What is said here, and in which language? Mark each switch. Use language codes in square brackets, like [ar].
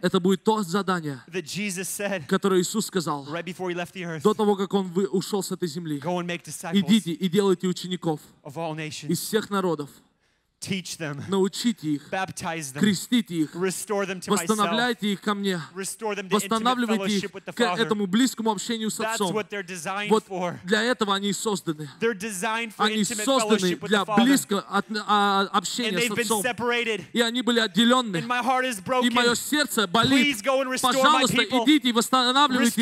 [ru] Это будет то задание, [en] that Jesus said, [ru] которое Иисус сказал, [en] right before He left the earth, [ru] до того как Он ушел с этой земли. [en] Go and make disciples. [ru] Идите и делайте учеников, [en] of all nations, [ru] из всех народов. [en] Teach them. [ru] Научите их. [en] Baptize them. [ru] Крестите их. [en] Restore them to myself. [ru] Восстанавливайте их ко мне. [en] Restore them to intimate fellowship with the Father. [ru] К этому близкому общению с Отцом. [en] That's what they're designed [ru] вот [en] for. [ru] Для этого они созданы. [en] They're designed for [ru] они [en] intimate fellowship with the Father. [ru] Для близкого общения [en] and [ru] с Отцом. [en] And they've been separated. [ru] И они были отделены. [en] And my heart is broken. [ru] И мое сердце болит. [en] Please go and restore [ru] пожалуйста, [en] my people. [ru] Идите и восстанавливайте